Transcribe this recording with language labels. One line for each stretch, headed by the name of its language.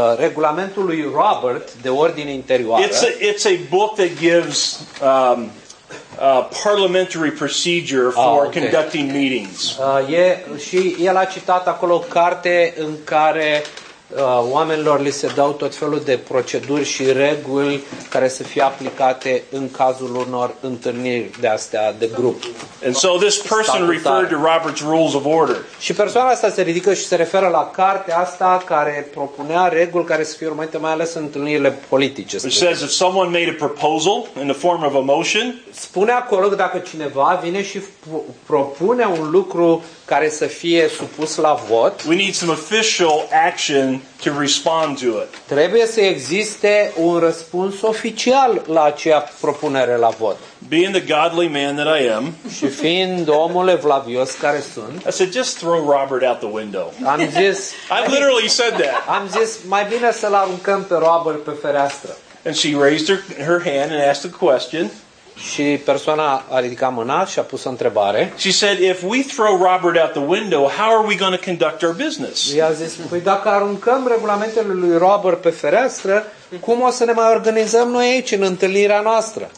Romanian: Regulamentul lui Robert de ordine interioară.
English: It's a book that gives parliamentary procedure for okay. conducting meetings.
Romanian: Și el a citat acolo o carte în care oamenilor li se dau tot felul de proceduri și reguli care să fie aplicate în cazul unor întâlniri de astea de grup.
English: And so this person referred to Robert's rules of order.
Romanian: Și persoana asta se ridică și se referă la cartea asta care propunea reguli care să fie urmate mai ales în întâlnirile politice.
English: It says if someone made a proposal in the form of a motion.
Romanian: Spune acolo că dacă cineva vine și propune un lucru care să fie supus la vot.
English: We need some official action to respond to it.
Romanian: Trebuie să existe un răspuns oficial la acea propunere la vot.
English: Being the godly man that I am,
Romanian: și fiind omul evlavios care sunt,
English: I said, just throw Robert out the window.
Romanian: Am zis,
English: I literally said that.
Romanian: Am zis, mai bine să-l aruncăm pe Robert pe fereastră.
English: And she raised her hand and asked a question.
Romanian: Și persoana a ridicat mâna și a pus o întrebare.
English: She said, if we throw Robert out the window, how are we going to conduct our business?
Romanian: I-a zis, păi dacă aruncăm regulamentele lui Robert pe fereastră, cum o să ne mai organizăm noi aici în întâlnirea noastră?